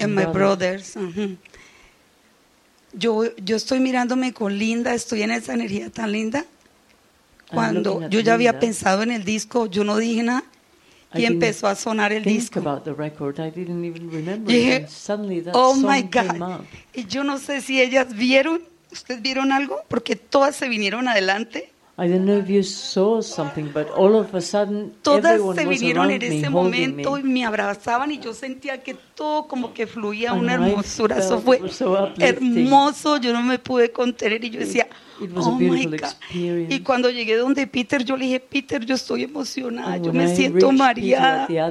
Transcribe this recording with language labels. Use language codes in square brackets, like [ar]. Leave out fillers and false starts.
[en] and my brothers. [es] Yo estoy mirándome con Linda, estoy en esa energía tan linda. Cuando yo ya había pensado en el disco, yo no dije nada y empezó a sonar el disco. [en] About the record. I didn't even remember it. And suddenly that song came up. Oh my God. [es] Y yo no sé si ellas vieron, ¿ustedes vieron algo? Porque todas se vinieron adelante. [en] I don't know if you saw something, but all of a sudden, [es] todas [en] everyone [es] se vinieron [en] was around [es] en ese momento [en] me. [es] Y me abrazaban y yo sentía que todo como que fluía una hermosura. Eso fue [en] so [es] hermoso, yo no me pude contener y yo decía, [en] oh my God. Experience. [es] Y cuando llegué donde Peter, yo le dije, Peter, yo estoy emocionada, yo me siento mareada.